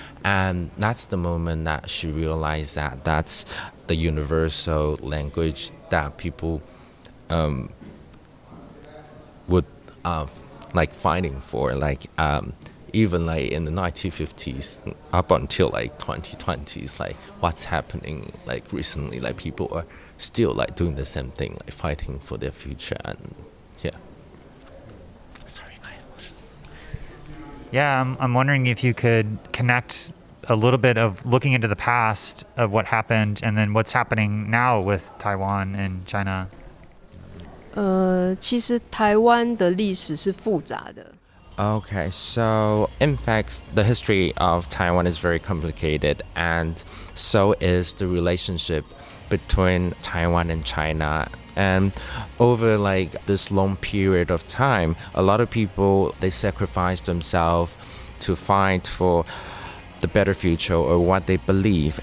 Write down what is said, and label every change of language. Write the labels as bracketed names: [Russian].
[English] And that's the moment that she realized that that's the universal language that people would like fighting for, like even like in the 1950s up until like 2020s, like what's happening like recently, like people are still like doing the same thing, like fighting for their future. And I'm wondering if you could connect a little bit of looking into the past of what happened and then what's happening now with Taiwan and China. [Chinese] 其实台湾的历史是复杂的。 [English] Okay, so in fact, the history of Taiwan is very complicated, and so is the relationship between Taiwan and China. And over like this long period of time, a lot of people, they sacrificed themselves to fight for the better future or what they believe.